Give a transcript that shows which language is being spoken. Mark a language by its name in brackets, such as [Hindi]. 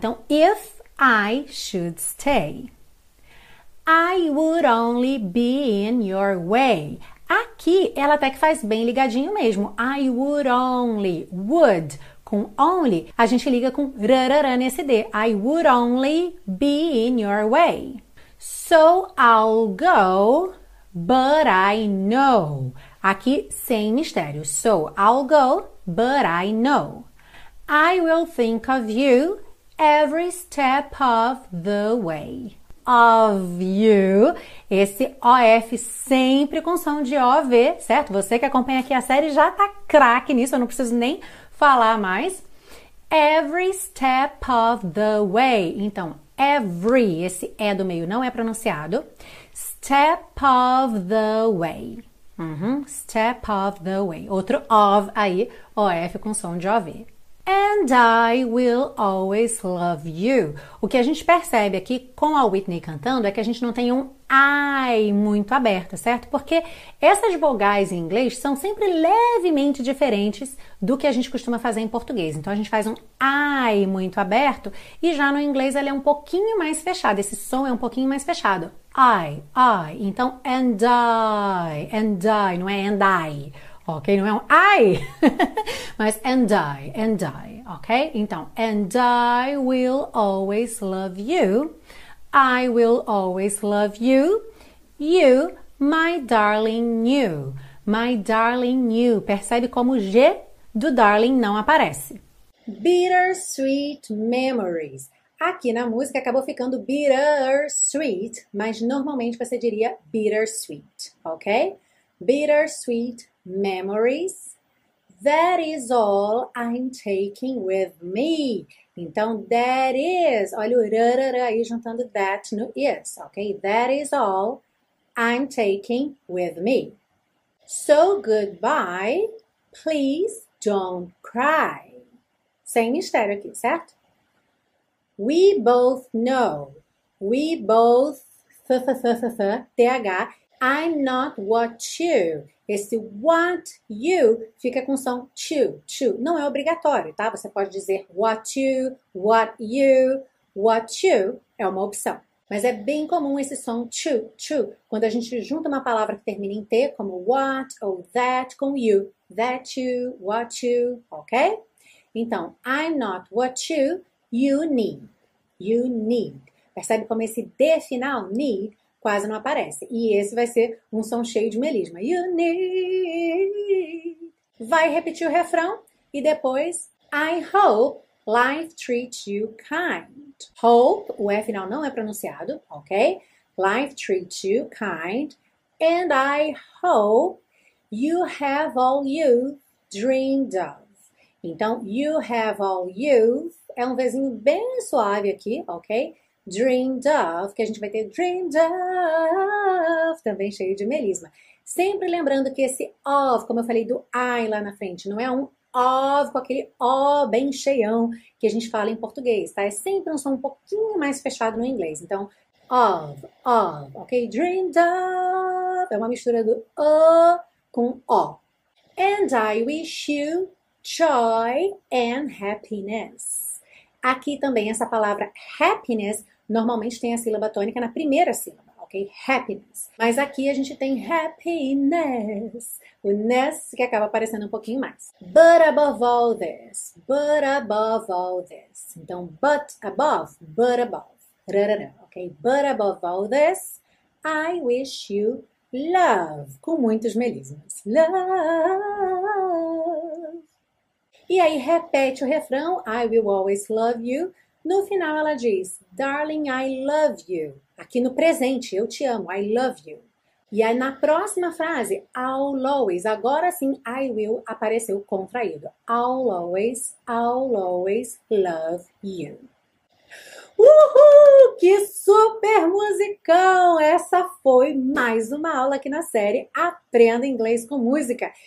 [English] Então, if I should stay, I would only be in your way. [Portuguese] Aqui, ela até que faz bem ligadinho mesmo. [English] I would only, would, [Portuguese] com only, a gente liga com rarara nesse D. [English] I would only be in your way. So I'll go, but I know. [Portuguese] Aqui, sem mistério. [English] So I'll go, but I know. I will think of you every step of the way. Of you, [Portuguese] esse OF sempre com som de OV, certo? Você que acompanha aqui a série já tá craque nisso, eu não preciso nem falar mais. [English] Every step of the way, [Portuguese] então every, esse E do meio não é pronunciado. [English] Step of the way, step of the way, [Portuguese] outro of aí, OF com som de OV. [English] And I will always love you. [Portuguese] O que a gente percebe aqui com a Whitney cantando é que a gente não tem um I muito aberto, certo? Porque essas vogais em inglês são sempre levemente diferentes do que a gente costuma fazer em português. Então a gente faz um I muito aberto e já no inglês ele é um pouquinho mais fechado. Esse som é um pouquinho mais fechado. I, I. Então and I, não é and I, Ok? Não é um I, mas and I, ok? [English] Então, and I will always love you, I will always love you, you, my darling, you, my darling, you. [Portuguese] Percebe como o G do darling não aparece. [English] Bittersweet memories. [Portuguese] Aqui na música acabou ficando bittersweet, mas normalmente você diria bittersweet, ok? [English] Bittersweet memories. That is all I'm taking with me. [Portuguese] Então, [English] that is. [Portuguese] Olha o rarara aí juntando that no is, ok? [English] That is all I'm taking with me. So goodbye, please don't cry. [Portuguese] Sem mistério aqui, certo? [English] We both know. We both. Th. I'm not what you. [Portuguese] Esse what you fica com som to, to. Não é obrigatório, tá? Você pode dizer [English] what you, what you, what you. [Portuguese] É uma opção. Mas é bem comum esse som to, to. Quando a gente junta uma palavra que termina em T, como what ou that com you. [English] That you, what you, ok? Então, I'm not what you, you need. You need. [Portuguese] Percebe como esse D final, need, quase não aparece. E esse vai ser um som cheio de melisma. [English] You need. [Portuguese] Vai repetir o refrão e depois, [English] I hope life treats you kind. [Portuguese] Hope, o E final não é pronunciado, ok? [English] Life treats you kind. And I hope you have all you dreamed of. [Portuguese] Então, [English] you have all youth, [Portuguese] é um vezinho bem suave aqui, ok? Dreamed of, que a gente vai ter dreamed of, também cheio de melisma. Sempre lembrando que esse of, como eu falei do I lá na frente, não é um of com aquele O bem cheião que a gente fala em português, tá? É sempre um som um pouquinho mais fechado no inglês. Então, of, of, ok? Dreamed of, é uma mistura do O com O. [English] And I wish you joy and happiness. [Portuguese] Aqui também essa palavra happiness normalmente tem a sílaba tônica na primeira sílaba, ok? Happiness. Mas aqui a gente tem happiness. O ness que acaba aparecendo um pouquinho mais. [English] But above all this. But above all this. Então, but above. But above. Rarara, ok? But above all this, I wish you love. [Portuguese] Com muitos melismas. Love. E aí repete o refrão, [English] I will always love you. [Portuguese] No final ela diz, [English] darling, I love you. [Portuguese] Aqui no presente, eu te amo, [English] I love you. [Portuguese] E aí na próxima frase, I'll always, agora sim, I will apareceu contraído. [English] I'll always love you. [Portuguese] Uhul, que super musicão! Essa foi mais uma aula aqui na série Aprenda Inglês com Música.